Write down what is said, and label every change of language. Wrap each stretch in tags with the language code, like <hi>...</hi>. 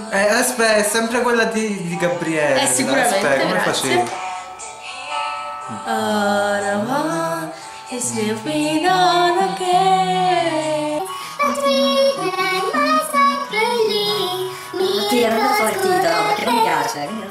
<it>Aspetta, è sempre quella di Gabriele. Sicuramente. Aspetta, come grazie. Facevi?</it> <en>All I want is to be known again. The dream that I must have believed.</en> <it>Non ti ero andato al titolo, perché mi piace.</it>